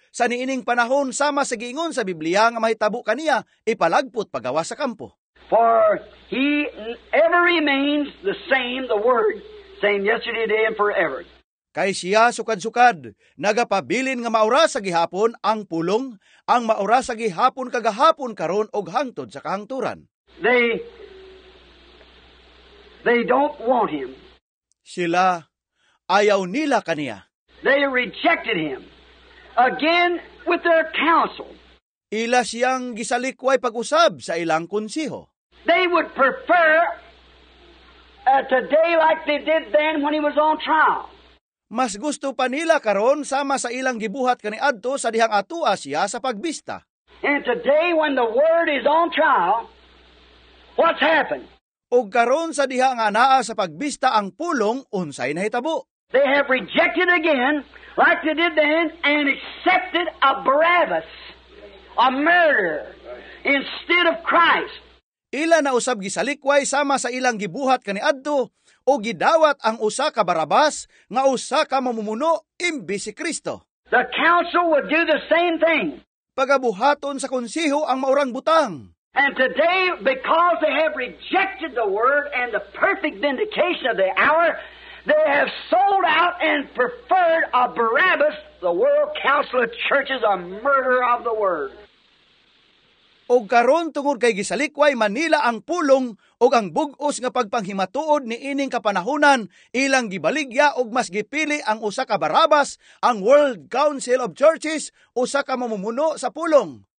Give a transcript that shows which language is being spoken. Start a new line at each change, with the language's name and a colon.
Cebuano: Sa niining panahon, sama sa giingon sa Biblia nga mahitabo kaniya, ipalagpot pagawa sa kampo.
English: For he ever remains the same, the word, same yesterday, today, and forever.
Cebuano: Kay siya sukad-sukad, nagapabilin nga maura sa gihapon ang pulong, ang maura sa gihapon kagahapon karon og hangtod sa kahangturan.
English: They don't want him.
Cebuano: Sila, ayaw nila kaniya.
English: They rejected him, again with their counsel.
Cebuano: Ila siyang gisalikway pag-usab sa ilang konsiho.
English: They would prefer today like they did then when he was on trial.
Cebuano: Mas gusto pa nila karon sama sa ilang gibuhat kaniadto sa dihang atua siya sa pagbista.
English: And today when the word is on trial, what's happened?
Cebuano: Ug karon sa diha nga naa sa pagbista ang pulong unsay nahitabo?
English: They have rejected again like they did then and accepted a Barabbas, a murderer, instead of Christ.
Cebuano: Ila na usab gisalikway sama sa ilang gibuhat kani adto o gidawat ang usa ka Barabbas nga usa ka mamumuno imbis si Kristo.
English: The council would do the same thing.
Cebuano: Pagabuhaton sa konsiho ang maurang butang.
English: And today, because they have rejected the word and the perfect vindication of the hour, they have sold out and preferred a Barabbas, the world council of churches, a murderer of the word.
Cebuano: O karon tungod kay gisalikway Manila ang pulong o ang bugos nga pagpanghimatuod ni ining kapanahunan, ilang gibaligya o mas gipili ang usa ka Barabbas, ang World Council of Churches, usa ka mamumuno sa pulong.